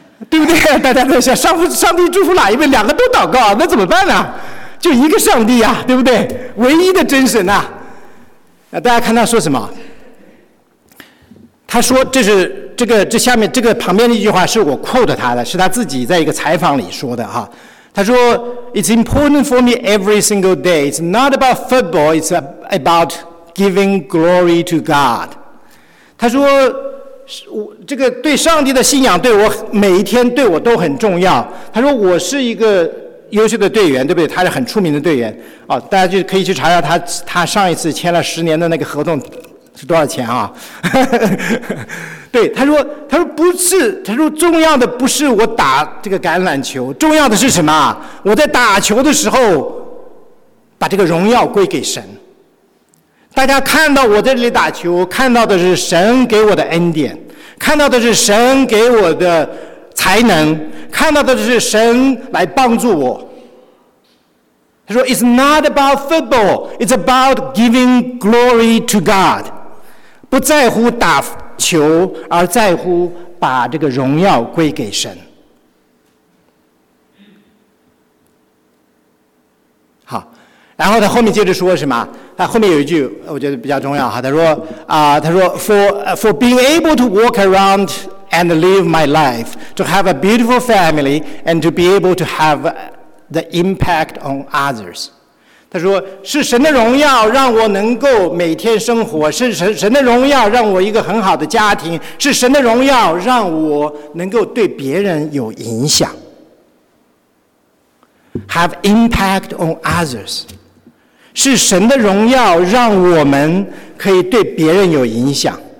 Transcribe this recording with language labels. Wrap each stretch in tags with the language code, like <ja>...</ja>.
<zh>对不对？大家在想，上帝祝福哪一位？两个都祷告，那怎么办呢？就一个上帝啊，对不对？唯一的真神啊。大家看他说什么？他说这是这个这下面这个旁边的一句话是我 quote 他的，是他自己在一个采访里说的哈。他说</zh> <en>：“It's important for me every single day. It's not about football. It's about giving glory to God.”</en> <zh>他说：“这个对上帝的信仰对我每一天对我都很重要。” 他说：“我是一个优秀的队员，对不对？他是很出名的队员啊、哦，大家就可以去查查他上一次签了十年的那个合同是多少钱啊？” 对，他说不是，他说重要的不是我打这个橄榄球，重要的是什么？我在打球的时候把这个荣耀归给神，大家看到我在这里打球，看到的是神给我的恩典，看到的是神给我的才能，看到的是神来帮助我。他说</zh> <en>It's not about football, it's about giving glory to God.</en> <zh>不在乎打球，而在乎把这个荣耀归给神。好，然后他后面接着说什么？他后面有一句我觉得比较重要哈，他说</zh> <en>for being able to walk around and live my life, to have a beautiful family, and to be able to have the impact on others.</en> <zh>他说是神的荣耀让我能够每天生活，是 神的荣耀让我一个很好的家庭，是神的荣耀让我能够对别人有影响。</zh> <en>Have impact on others，</en> <zh>是神的荣耀让我们可以对别人有影响。</zh>